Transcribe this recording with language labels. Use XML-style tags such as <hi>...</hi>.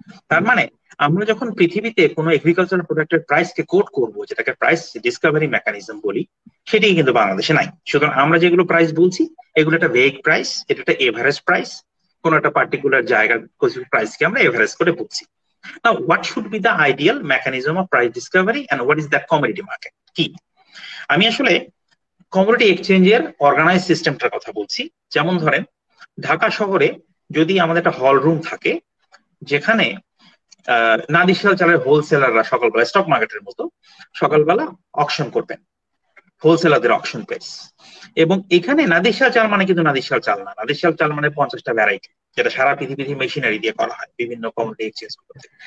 <bn>তার মানে আমরা যখন পৃথিবীতে কোনো এগ্রিকালচারাল প্রোডাক্টের প্রাইস কে কোট করবো, যেটাকে প্রাইস ডিসকভারি মেকানিজম বলি, সেটি কিন্তু বাংলাদেশে নাই। সুতরাং আমরা যেগুলো প্রাইস বলছি এগুলো একটা ভেগ প্রাইস, এটা একটা এভারেজ প্রাইস, কোনো একটা পার্টিকুলার জায়গার কিছু প্রাইস কে আমরা এভারেজ করে বলছি।</bn> <en>Now, what should be the ideal mechanism of price discovery and what is the commodity market?</en> <bn>আমি আসলে কমোডিটি এক্সচেঞ্জের অর্গানাইজ সিস্টেমটার কথা বলছি। যেমন ধরেন ঢাকা শহরে যদি আমাদের একটা হল রুম থাকে যেখানে নাদিশাল চালের হোলসেলাররা সকালবেলা স্টক মার্কেটের মতো সকালবেলা অকশন করবেন, হোলসেলারদের অকশন প্লেস, এবং এখানে নাদিশাল চাল মানে কিন্তু নাদিশাল চাল না, নাদিশাল চাল মানে 50টা ভ্যারাইটি, যেটা সারা পৃথিবীর মেশিনারি দিয়ে করা হয় বিভিন্ন কমোডিটি এক্সচেঞ্জ করতে।</bn>